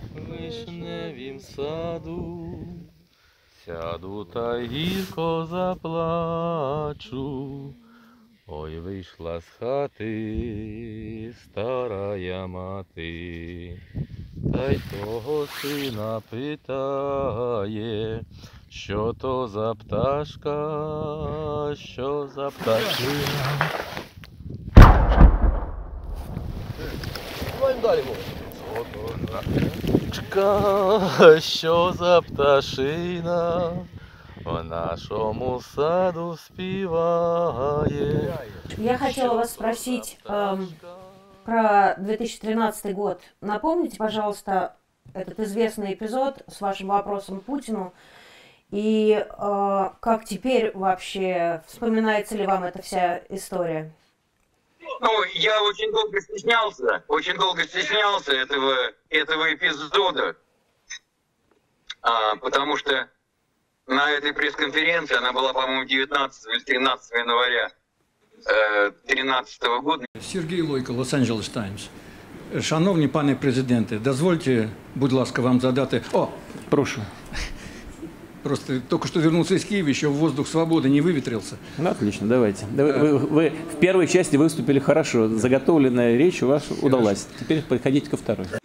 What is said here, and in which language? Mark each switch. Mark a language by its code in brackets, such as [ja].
[uk] Вишневім саду, сяду та гірко заплачу, ой, вийшла з хати старая мати, та й того сина питає, що то за пташка, що за пташина. Давай далі, бо. Чка, що за пташина в нашому саду співає. [ru] Я хотела вас спросить про 2013 год. Напомните, пожалуйста, этот известный эпизод с вашим вопросом Путину. И как теперь вообще, вспоминается ли вам эта вся история? Ну, я очень долго стеснялся этого эпизода, потому что на этой пресс-конференции, она была, по-моему, 19 или 13 января 2013 года. Сергей Лойко, Лос-Анджелес Таймс. [uk] Шановні пане президенте, дозвольте, будь ласка, вам задати... [ru] О, прошу. Просто только что вернулся из Киева, еще воздух свободы не выветрился. Ну, отлично, давайте. Вы в первой части выступили хорошо. Заготовленная речь у вас удалась. Теперь подходите ко второй.